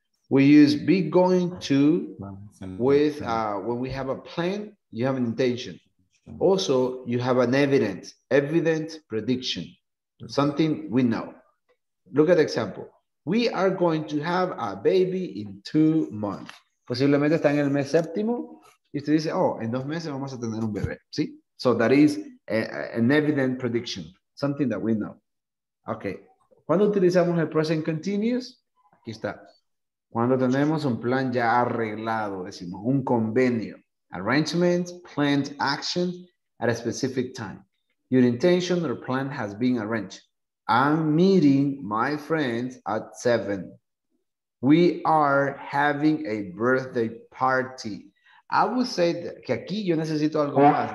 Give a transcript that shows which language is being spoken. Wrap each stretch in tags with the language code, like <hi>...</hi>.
<en>We use be going to with when we have a plan, you have an intention. Also, you have an evident prediction, something we know. Look at the example. We are going to have a baby in 2 months.</en> <es>Posiblemente está en el mes séptimo. Y usted dice, oh, en 2 meses vamos a tener un bebé. ¿Sí?</es> <en>So that is an evident prediction, something that we know. Okay.</en> <es>¿Cuándo utilizamos el present continuous? Aquí está. Cuando tenemos un plan ya arreglado, decimos, un convenio.</es> <en>Arrangement, planned action at a specific time. Your intention or plan has been arranged. I'm meeting my friends at 7. We are having a birthday party. I would say</en> <es>que aquí yo necesito algo más.</es>